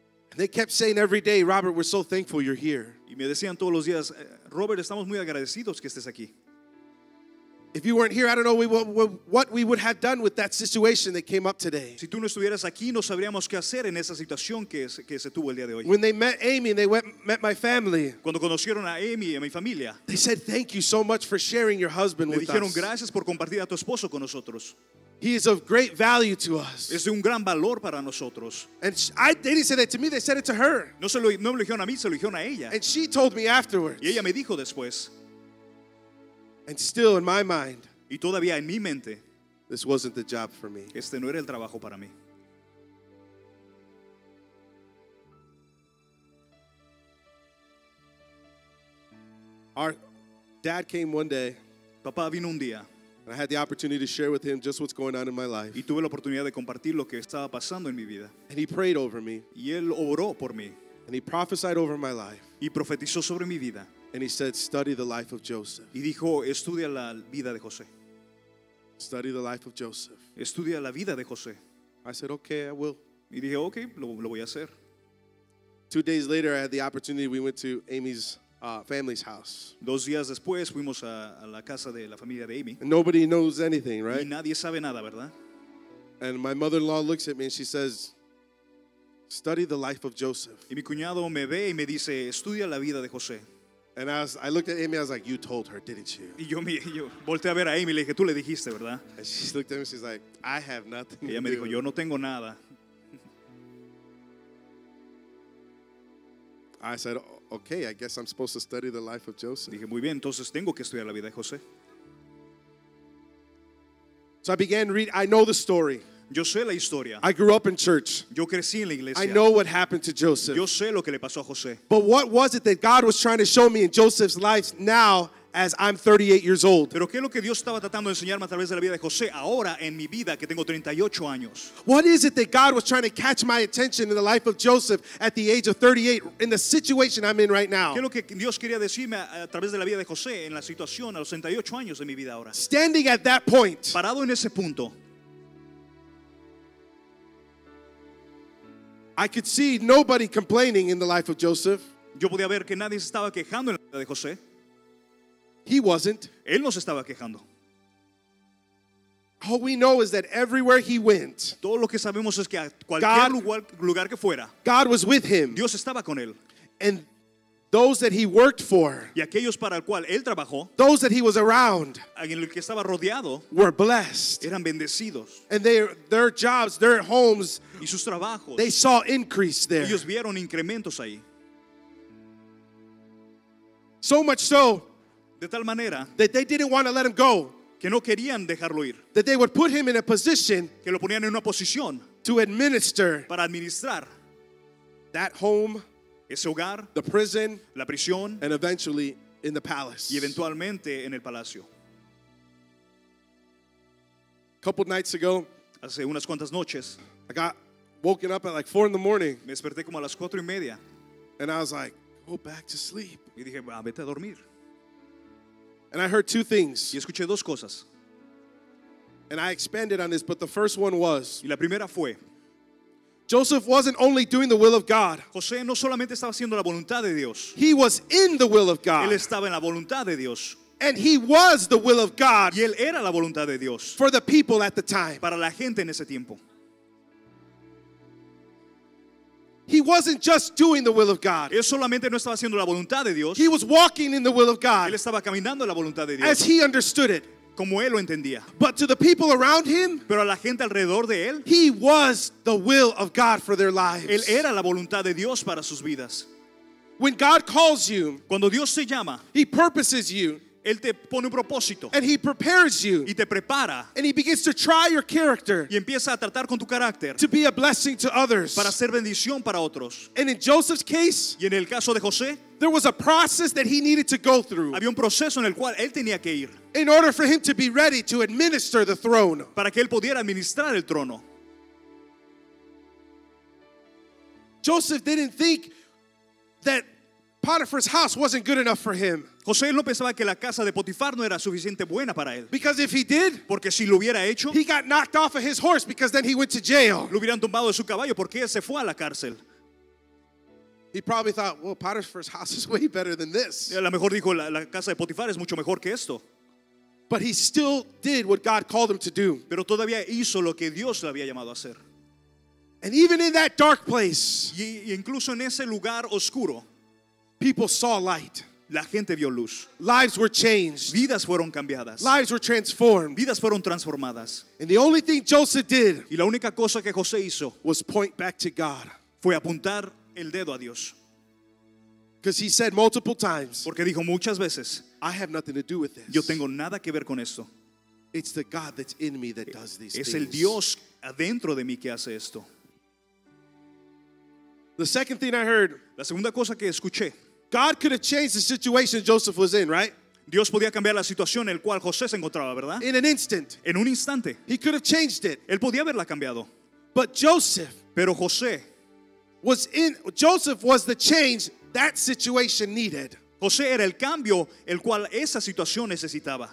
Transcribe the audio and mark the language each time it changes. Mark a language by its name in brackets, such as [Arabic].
[English] And they kept saying every day, Robert, we're so thankful you're here. [Spanish] Y me decían todos los días, Robert, estamos muy agradecidos que estés aquí. [English] If you weren't here, I don't know what we would have done with that situation that came up today. [Spanish] Si tú no estuvieras aquí, no sabríamos qué hacer en esa situación que se tuvo el día de hoy. [English] When they met Amy and they met my family. [Spanish] Cuando conocieron a Amy y a mi familia. [English] They said thank you so much for sharing your husband with us. [Spanish] Le dijeron gracias por compartir a tu esposo con nosotros. [English] He is of great value to us. [Spanish] Es de un gran valor para nosotros. [English] And they didn't say that to me, they said it to her. [Spanish] No me lo dijeron a mí, se lo dijeron a ella. [English] And she told me afterwards. [Spanish] Y ella me dijo después. [English] And still in my mind, [Spanish] y todavía en mi mente, [English] this wasn't the job for me. [Spanish] Este no era el trabajo para mí. [English] Our dad came one day. [Spanish] Papá vino un día. [English] And I had the opportunity to share with him just what's going on in my life. [Spanish] Y tuve la oportunidad de compartir lo que estaba pasando en mi vida. [English] And he prayed over me. [Spanish] Y él oró por mí. [English] And he prophesied over my life. [Spanish] Y profetizó sobre mi vida. [English] And he said, study the life of Joseph. [Spanish] Y dijo, estudia la vida de José. [English] Study the life of Joseph. [Spanish] Estudia la vida de José. [English] I said, okay, I will. [Spanish] Y dije, okay, lo voy a hacer. [English] 2 days later, I had the opportunity, we went to Amy's family's house. [Spanish] 2 días después, fuimos a la casa de la familia de Amy. [English] And nobody knows anything, right? [Spanish] Y nadie sabe nada, ¿verdad? [English] And my mother-in-law looks at me and she says, study the life of Joseph. [Spanish] Y mi cuñado me ve y me dice, estudia la vida de José. [English] And as I looked at Amy, I was like, you told her, didn't you? [Spanish] Y yo volteé a ver a Amy y le dije, tú le dijiste, ¿verdad? [English] And she looked at me and she's like, I have nothing. [Spanish] Ella me dijo, yo no tengo nada. [English] I said, okay, I guess I'm supposed to study the life of Joseph. [Spanish] Dije, muy bien, entonces tengo que estudiar la vida de José. [English] So I began reading, I know the story. [Spanish] Yo sé la historia. [English] I grew up in church. [Spanish] Yo crecí en la iglesia. [English] I know what happened to Joseph. [Spanish] Yo sé lo que le pasó a José. [English] But what was it that God was trying to show me in Joseph's life now as I'm 38 years old? [Spanish] Pero qué es lo que Dios estaba tratando de enseñarme a través de la vida de José ahora en mi vida que tengo 38 años. [English] What is it that God was trying to catch my attention in the life of Joseph at the age of 38 in the situation I'm in right now? [Spanish] Qué es lo que Dios quería decirme a través de la vida de José en la situación a los 38 años de mi vida ahora. [English] Standing at that point. [Spanish] Parado en ese punto. [English] I could see nobody complaining in the life of Joseph. [Spanish] Yo podía ver que nadie se estaba quejando en la vida de José. [English] He wasn't. [Spanish] Él no se estaba quejando. [English] All we know is that everywhere he went, [Spanish] todo lo que sabemos es que a cualquier lugar que fuera, [English] God was with him. [Spanish] Dios estaba con él. [English] And those that he worked for, [Spanish] y aquellos para el cual él trabajó, [English] those that he was around, [Spanish] en el que estaba rodeado, [English] were blessed. [Spanish] Eran bendecidos. [English] And their jobs, their homes, [Spanish] y sus trabajos, [English] they saw increase there. [Spanish] Ellos vieron incrementos ahí. [English] So much so, [Spanish] de tal manera, [English] that they didn't want to let him go. [Spanish] Que no querían dejarlo ir. [English] That they would put him in a position, [Spanish] que lo ponían en una posición, [English] to administer, [Spanish] para administrar, [English] that home, [Spanish] ese hogar, [English] the prison, [Spanish] la prisión, [English] and eventually in the palace. [Spanish] Y eventualmente en el palacio. [English] A couple nights ago, [Spanish] hace unas cuantas noches, [English] I got woken up at like 4 a.m. [Spanish] Me desperté como a las 4:30. [English] And I was like, go back to sleep. [Spanish] Y dije, va, vete a dormir. [English] And I heard two things. [Spanish] Y escuché dos cosas. [English] And I expanded on this, but the first one was, [Spanish] y la primera fue, [English] Joseph wasn't only doing the will of God. [Spanish] José no solamente estaba haciendo la voluntad de Dios. [English] He was in the will of God. [Spanish] Él estaba en la voluntad de Dios. [English] And he was the will of God. [Spanish] Y él era la voluntad de Dios. [English] For the people at the time. [Spanish] Para la gente en ese tiempo. [English] He wasn't just doing the will of God. [Spanish] Él solamente no estaba haciendo la voluntad de Dios. [English] He was walking in the will of God. [Spanish] Él estaba caminando en la voluntad de Dios. [English] As he understood it. [Spanish] Como él lo entendía. [English] But to the people around him, [Spanish] pero a la gente alrededor de él, [English] he was the will of God for their lives. [Spanish] Él era la voluntad de Dios para sus vidas. [English] When God calls you, [Spanish] cuando Dios te llama, [English] he purposes you. [Spanish] Él te pone un propósito. [English] And he prepares you. [Spanish] Y te prepara. [English] And he begins to try your character. [Spanish] Y empieza a tratar con tu carácter. [English] To be a blessing to others. [Spanish] Para ser bendición para otros. [English] And in Joseph's case, [Spanish] y en el caso de José, [English] there was a process that he needed to go through. [Spanish] Había un proceso en el cual él tenía que ir. [English] In order for him to be ready to administer the throne. [Spanish] Para que él pudiera administrar el trono. [English] Joseph didn't think that Potiphar's house wasn't good enough for him. [Spanish] José no pensaba que la casa de Potifar no era suficiente buena para él. [English] Because if he did, [Spanish] porque si lo hubiera hecho, [English] he got knocked off of his horse because then he went to jail. [Spanish] Lo hubieran tumbado de su caballo porque él se fue a la cárcel. [English] He probably thought, well, Potiphar's house is way better than this. [Spanish] A lo mejor dijo, la casa de Potifar es mucho mejor que esto. [English] But he still did what God called him to do. [Spanish] Pero todavía hizo lo que Dios le había llamado a hacer. [English] And even in that dark place, [Spanish] y incluso en ese lugar oscuro, [English] people saw light. [Spanish] La gente vio luz. [English] Lives were changed. [Spanish] Vidas fueron cambiadas. [English] Lives were transformed. [Spanish] Vidas fueron transformadas. [English] And the only thing Joseph did, [Spanish] y la única cosa que José hizo, [English] was point back to God. [Spanish] Fue apuntar el dedo a Dios. [English] Because he said multiple times, [Spanish] porque dijo muchas veces, [English] I have nothing to do with this. [Spanish] Yo tengo nada que ver con esto. [English] It's the God that's in me that does these [Spanish] es [English] things. [Spanish] Es el Dios adentro de mí que hace esto. [English] The second thing I heard, [Spanish] la segunda cosa que escuché, [English] God could have changed the situation Joseph was in, right? [Spanish] Dios podía cambiar la situación en el cual José se encontraba, ¿verdad? [English] In an instant. [Spanish] En un instante. [English] He could have changed it. [Spanish] Él podía haberla cambiado. [English] But Joseph, [Spanish] pero José, [English] was in, Joseph was the change that situation needed. [Spanish] José era el cambio el cual esa situación necesitaba.